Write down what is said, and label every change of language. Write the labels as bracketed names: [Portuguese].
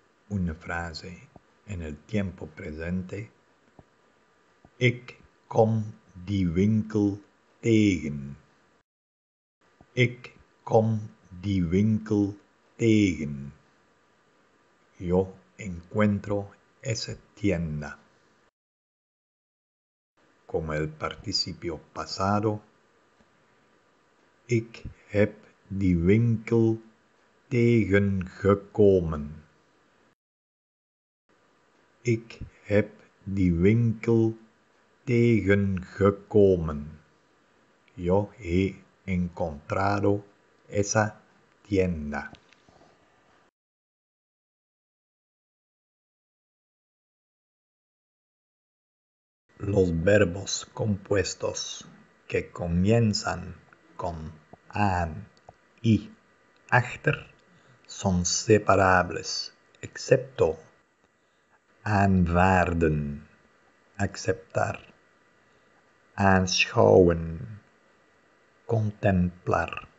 [Spanish] Una frase en el tiempo presente. Ik kom die winkel tegen. [Dutch] Ik kom die winkel tegen. [Spanish] Yo encuentro esa tienda. Como el participio pasado. [Dutch] Ik heb die winkel tegengekomen. Ik heb die winkel tegengekomen. [Spanish] Yo he encontrado esa tienda. Los verbos compuestos que comienzan con aan y achter son separables, excepto aanvaarden, aceptar, aanschouwen, contemplar,